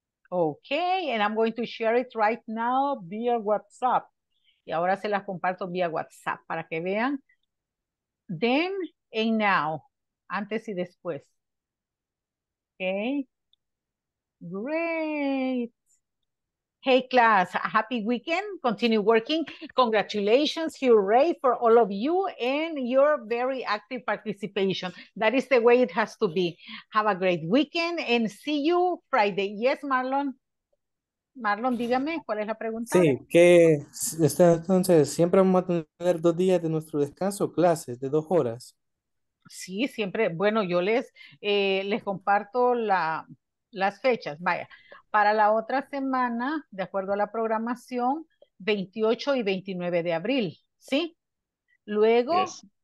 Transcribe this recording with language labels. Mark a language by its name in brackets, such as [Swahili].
[English] Ok, and I'm going to share it right now via WhatsApp. [Spanish] Y ahora se las comparto vía WhatsApp para que vean. [English] Then and now. [Spanish] Antes y después. [English] Okay. Great. Hey, class. A happy weekend. Continue working. Congratulations. Hooray for all of you and your very active participation. That is the way it has to be. Have a great weekend and see you Friday. [Spanish] Yes, Marlon. Marlon, dígame, ¿cuál es la pregunta? Sí, que entonces siempre vamos a tener 2 días de nuestro descanso, clases de 2 horas. Sí, siempre, bueno, yo les comparto las fechas, vaya, para la otra semana, de acuerdo a la programación, 28 y 29 de abril, ¿sí? Luego, yes.